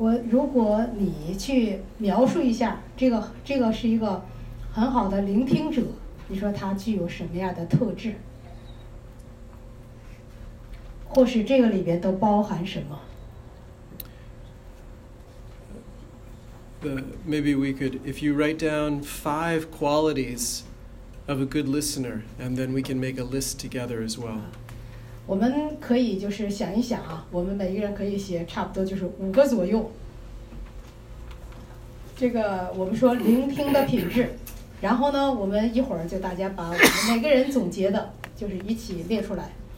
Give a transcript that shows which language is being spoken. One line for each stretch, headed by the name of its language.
Chinese: 如果你去描述一下，这个是一个很好的聆听者，你说他具有什么样的特质？或是这个里边都包含什么？
English: Maybe we could, if you write down five qualities of a good listener, and then we can make a list together as well.
Chinese: 我们可以就是想一想啊, 我们每一个人可以写差不多就是五个左右。这个我们说聆听的品质, 然后呢, 我们一会儿就大家把我们每个人总结的就是一起列出来。